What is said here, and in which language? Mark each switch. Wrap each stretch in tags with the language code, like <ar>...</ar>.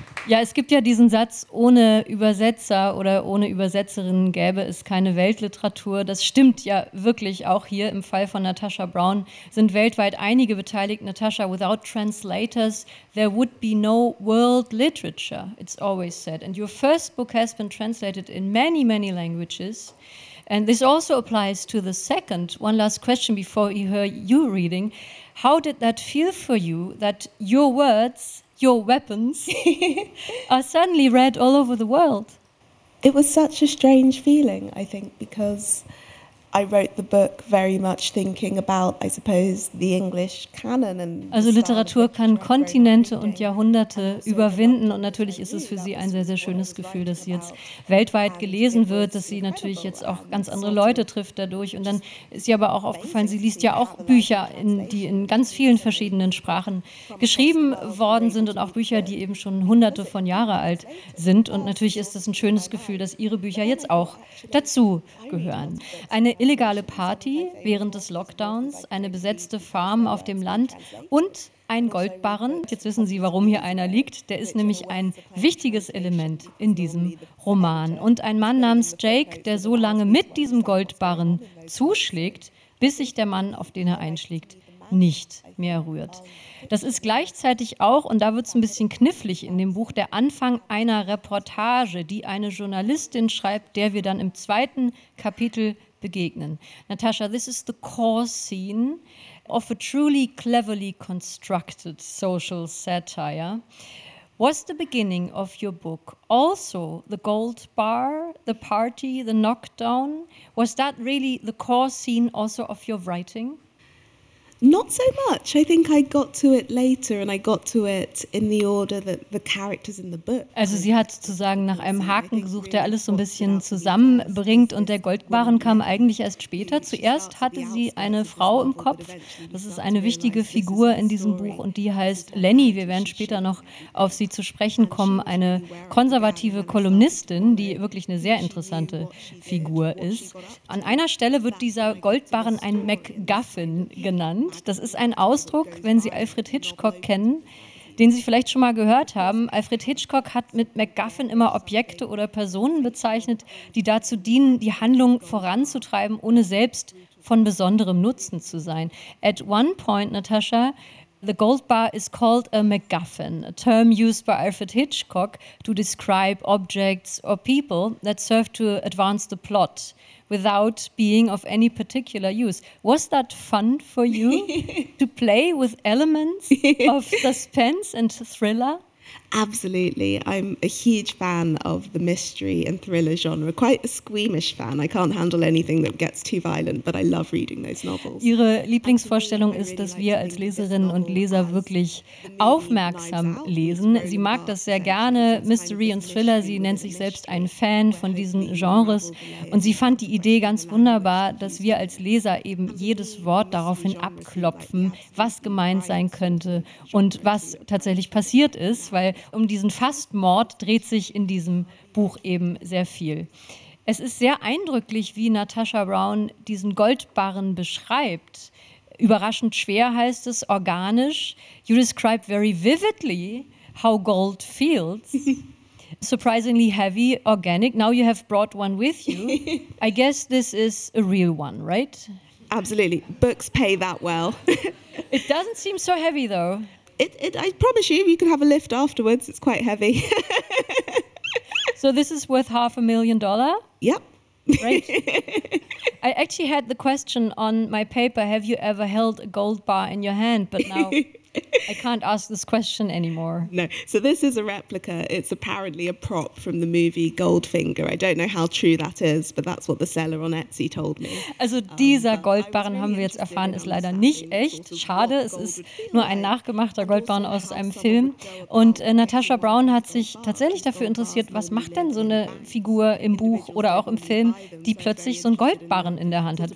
<de>Ja, es gibt ja diesen Satz, ohne Übersetzer oder ohne Übersetzerin gäbe es keine Weltliteratur. Das stimmt ja wirklich auch hier im Fall von Natascha Brown. Sind weltweit einige beteiligt.</de> <en>Natascha, without translators, there would be no world literature, it's always said. And your first book has been translated in many, many languages. And this also applies to the second. One last question before we hear you reading. How did that feel for you, that your words, your weapons, are suddenly read all over the world? It was such a strange feeling, I think, because I wrote the book very much thinking about, I suppose, the English canon. And</en> <de>also Literatur kann Kontinente und Jahrhunderte überwinden und natürlich ist es für Sie ein sehr, sehr schönes Gefühl, dass sie jetzt weltweit gelesen wird, dass sie natürlich jetzt auch ganz andere Leute trifft dadurch. Und dann ist sie aber auch aufgefallen, sie liest ja auch Bücher, die in ganz vielen verschiedenen Sprachen geschrieben worden sind und auch Bücher, die eben schon hunderte von Jahren alt sind. Und natürlich ist es ein schönes Gefühl, dass Ihre Bücher jetzt auch dazu gehören. Eine illegale Party während des Lockdowns, eine besetzte Farm auf dem Land und ein Goldbarren. Jetzt wissen Sie, warum hier einer liegt. Der ist nämlich ein wichtiges Element in diesem Roman. Und ein Mann namens Jake, der so lange mit diesem Goldbarren zuschlägt, bis sich der Mann, auf den er einschlägt, nicht mehr rührt. Das ist gleichzeitig auch, und da wird es ein bisschen knifflig in dem Buch, der Anfang einer Reportage, die eine Journalistin schreibt, der wir dann im zweiten Kapitel begegnen.</de> <en>Natascha, this is the core scene of a truly cleverly constructed social satire. Was the beginning of your book also the gold bar, the party, the knockdown? Was that really the core scene also of your writing? Not so much. I think I got to it later and I got to it in the order that the characters in the book.</en> <de>Also sie hat sozusagen nach einem Haken gesucht, der alles so ein bisschen zusammenbringt und der Goldbarren kam eigentlich erst später. Zuerst hatte sie eine Frau im Kopf, das ist eine wichtige Figur in diesem Buch und die heißt Lenny. Wir werden später noch auf sie zu sprechen kommen, eine konservative Kolumnistin, die wirklich eine sehr interessante Figur ist. An einer Stelle wird dieser Goldbarren ein MacGuffin genannt. Das ist ein Ausdruck, wenn Sie Alfred Hitchcock kennen, den Sie vielleicht schon mal gehört haben. Alfred Hitchcock hat mit MacGuffin immer Objekte oder Personen bezeichnet, die dazu dienen, die Handlung voranzutreiben, ohne selbst von besonderem Nutzen zu sein.</de> <en>At one point, Natascha, The gold bar is called a MacGuffin, a term used by Alfred Hitchcock to describe objects or people that serve to advance the plot without being of any particular use. Was that fun for you to play with elements of suspense and thriller? Absolutely. I'm a huge fan of the mystery and thriller genre. Quite a squeamish fan. I can't handle anything that gets too violent, but I love reading those novels.</en> <de>Ihre Lieblingsvorstellung ist, dass wir als Leserinnen und Leser wirklich aufmerksam lesen. Sie mag das sehr gerne, Mystery und Thriller. Sie nennt sich selbst ein Fan von diesen Genres. Und sie fand die Idee ganz wunderbar, dass wir als Leser eben jedes Wort daraufhin abklopfen, was gemeint sein könnte und was tatsächlich passiert ist, weil um diesen Fastmord dreht sich in diesem Buch eben sehr viel. Es ist sehr eindrücklich, wie Natasha Brown diesen Goldbarren beschreibt. Überraschend schwer heißt es, organisch.</de> <en>You describe very vividly how gold feels. Surprisingly heavy, organic. Now you have brought one with you. I guess this is a real one, right? Absolutely. Books pay that well. It doesn't seem so heavy though. I promise you, we can have a lift afterwards. It's quite heavy. So this is worth $500,000? Yep. Right. I actually had the question on my paper, have you ever held a gold bar in your hand? But now I can't ask this question anymore. No. So this is a replica. It's apparently a prop from the movie Goldfinger. I don't know how true that is, but that's what the seller on Etsy told me.</en> <de>Also dieser Goldbarren, haben wir jetzt erfahren, ist leider nicht echt. Schade, es ist nur ein nachgemachter Goldbarren aus einem Film. Und Natasha Brown hat sich tatsächlich dafür interessiert, was macht denn so eine Figur im Buch oder auch im Film, die plötzlich so einen Goldbarren in der Hand hat?</de>